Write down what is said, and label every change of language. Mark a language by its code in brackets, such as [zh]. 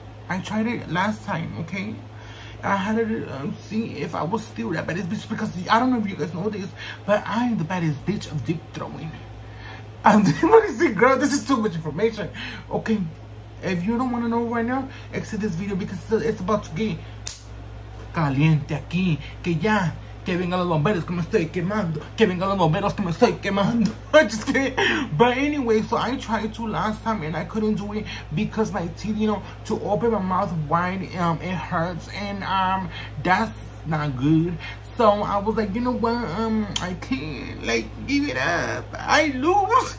[en] I tried it last time, okay? I had to see if I was still that baddest bitch because I don't know if you guys know this, but I'm the baddest bitch of deep throwing. And what is it, girl? This is too much information. Okay, if you don't want to know right now, exit this video because it's about to get [es] caliente aquí. Que ya. Que vengan los bomberos que me estoy quemando. Que vengan los bomberos que me estoy quemando. [en] Just kidding. But anyway, so I tried to last time and I couldn't do it because my teeth, you know, to open my mouth wide, it hurts. And that's not good. So I was like, you know what? I can't, like, give it up. I lose.